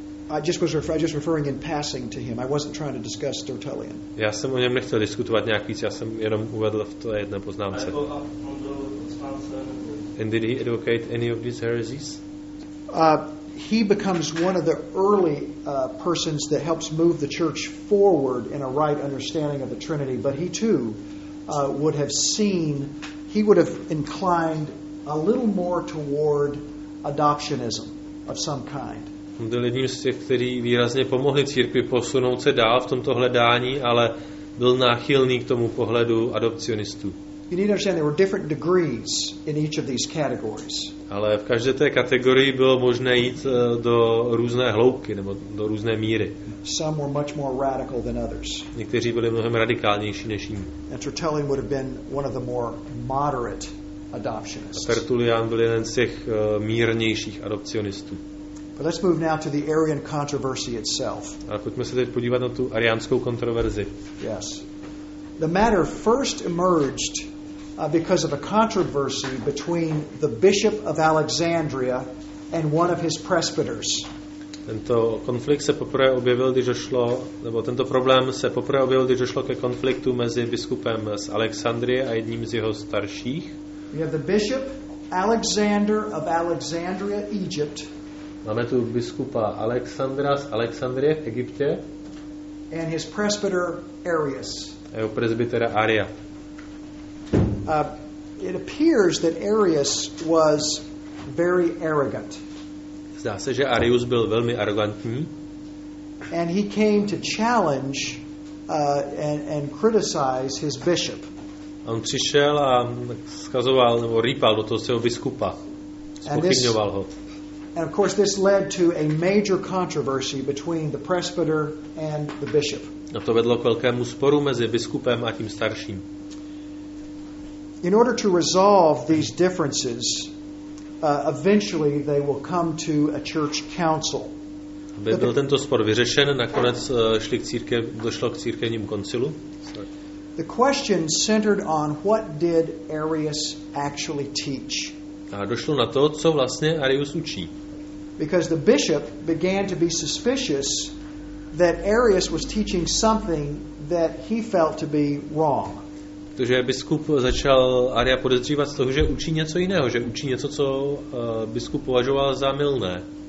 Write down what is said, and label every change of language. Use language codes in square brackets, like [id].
[en] I just referring in passing to him. I wasn't trying to discuss Tertullian. [cs] Já jsem o něm nechtěl diskutovat nějak víc, já jsem jenom uvedl v té jedné poznámce. [en] And did he advocate any of these heresies? He becomes one of the early persons that helps move the church forward in a right understanding of the Trinity, but he too would have seen, he would have inclined a little more toward adoptionism of some kind. [cs] Byl jedním z těch, kteří výrazně pomohli církvi posunout se dál v tomto hledání, ale byl náchylný k tomu pohledu adopcionistů. [en] You need to understand there were different degrees in each of these categories. [cs] Ale v každé té kategorii bylo možné jít do různé hloubky nebo do různé míry. [en] Some were much more radical than others. [cs] Někteří byli mnohem radikálnější než jiní. [en] And Tertullian would have been one of the more moderate adoptionists. [cs] Tertullian byl jeden z těch mírnějších adopcionistů. [en] But let's move now to the Arian controversy itself. [cs] A pojďme se teď podívat na tu ariánskou kontroverzi. [en] Yes. The matter first emerged because of a controversy between the bishop of Alexandria and one of his presbyters. [cs] Tento konflikt se poprvé objevil, když došlo, nebo tento problém se poprvé objevil, když došlo ke konfliktu mezi biskupem z Alexandrie a jedním z jeho starších. [en] We have the bishop Alexander of Alexandria, Egypt. [cs] Máme tu biskupa Alexandra z Alexandrie v Egyptě. [en] And his presbyter Arius. [cs] A jeho presbytera Aria. [en] It appears that Arius was very arrogant. [cs] Zdá se, že Arius byl velmi arrogantní. [en] And he came to challenge and criticize his bishop. [cs] On přišel a skazoval nebo rýpal do toho svého biskupa. Spochybňoval ho. [en] And of course this led to a major controversy between the presbyter and the bishop. [cs] No to vedlo k velkému sporu mezi biskupem a tím starším. [en] In order to resolve these differences, eventually they will come to a church council. [cs] Aby byl tento spor vyřešen, nakonec šli k církev, došlo k církevním koncilu. [en] The question centered on what did Arius actually teach. [cs] A došlo na to, co vlastně Arius učí. [en] Because the bishop began to be suspicious that Arius was teaching something that he felt to be wrong. [cs] že biskup začal Aria podezřívat z toho, že učí něco jiného, že učí něco, co biskup považoval za mylné.